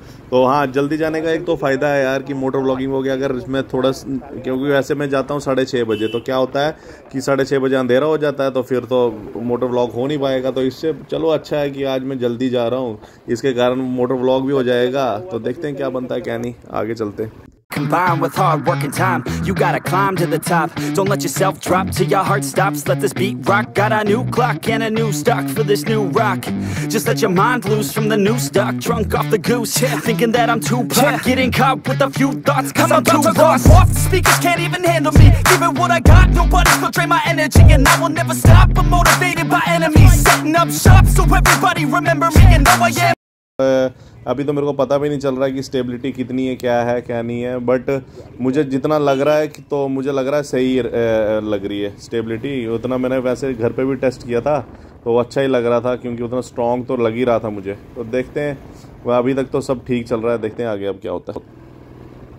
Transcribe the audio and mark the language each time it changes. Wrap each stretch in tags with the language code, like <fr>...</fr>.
<hi>तो हाँ, जल्दी जाने का एक तो फ़ायदा है यार कि मोटर व्लॉगिंग हो गया। अगर मैं थोड़ा, क्योंकि वैसे मैं जाता हूँ 6:30 बजे, तो क्या होता है कि 6:30 बजे अंधेरा हो जाता है, तो फिर तो मोटर व्लॉग हो नहीं पाएगा। तो इससे चलो अच्छा है कि आज मैं जल्दी जा रहा हूँ, इसके कारण मोटर व्लॉग भी हो जाएगा। तो देखते हैं क्या बनता है क्या नहीं, आगे चलते हैं।</hi> <en>Combined with hard work and time, you gotta climb to the top. Don't let yourself drop till your heart stops. Let this beat rock. Got a new clock and a new stock for this new rock. Just let your mind loose from the new stock. Drunk off the goose, yeah. Thinking that I'm too pop. Yeah. Getting caught with a few thoughts, cause I'm too lost. Off the speakers can't even handle me. Giving what I got, nobody's gonna drain my energy. And I will never stop. I'm motivated by enemies. Setting up shop so everybody remember me. And know I am.</en> <hi>अभी तो मेरे को पता भी नहीं चल रहा है कि स्टेबिलिटी कितनी है, क्या है क्या नहीं है, बट मुझे जितना लग रहा है कि तो मुझे लग रहा है सही लग रही है स्टेबिलिटी। उतना मैंने वैसे घर पे भी टेस्ट किया था तो अच्छा ही लग रहा था, क्योंकि उतना स्ट्रांग तो लग ही रहा था मुझे। तो देखते हैं, वह अभी तक तो सब ठीक चल रहा है, देखते हैं आगे अब क्या होता है।</hi>